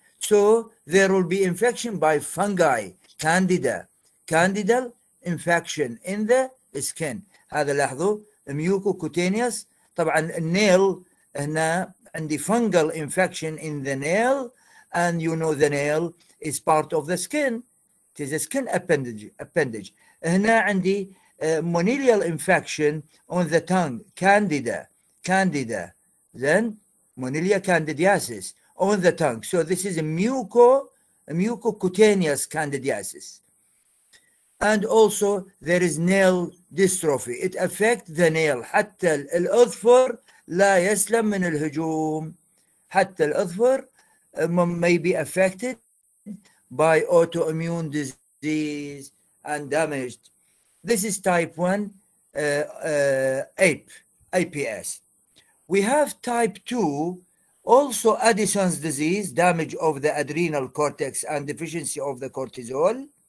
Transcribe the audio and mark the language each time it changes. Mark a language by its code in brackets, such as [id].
[en] So there will be infection by fungi, candida, candidal infection in the skin. [ar] هذا لاحظوا mucocutaneous. طبعا النيل هنا عندي [en] fungal infection in the nail, and you know the nail is part of the skin. It is a skin appendage. [ar] هنا عندي [en] monilial infection on the tongue, candida, candida. Then monilia candidiasis on the tongue. So this is a mucocutaneous candidiasis. And also there is nail dystrophy. It affects the nail. [ar] حتى الأظفر لا يسلم من الهجوم. حتى الأظفر [en] may be affected by autoimmune disease and damaged. This is type 1 APS. We have type 2, also Addison's disease, damage of the adrenal cortex and deficiency of the cortisol.